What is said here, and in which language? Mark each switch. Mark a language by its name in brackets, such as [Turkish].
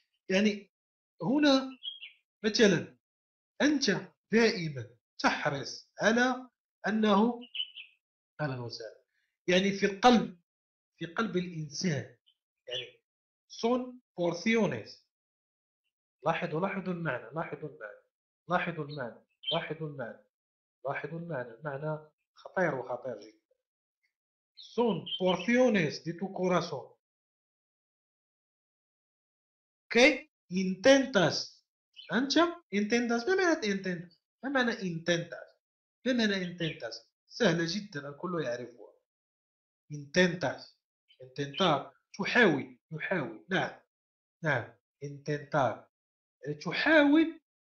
[Arabic] يعني هنا مثلا أنت دائما تحرص على أنه أهلا وسهلا يعني في القلب، في قلب الإنسان يعني [Spanish] son porciones. [Arabic] لاحظوا لاحظوا المعنى، لاحظوا المعنى، لاحظوا المعنى، لاحظوا المعنى، لاحظوا المعنى، المعنى خطير وخطير جدا. [Spanish] son porciones de tu corazón que intentas. [Arabic] أنت intentas، ما معنى intentas؟ ما معنى intentas؟ ما معنى intentas؟ سهلة جدا الكل يعرفها. [Spanish] intentas intentar [Arabic] تحاول، يحاول. نعم نعم intentar تحاول.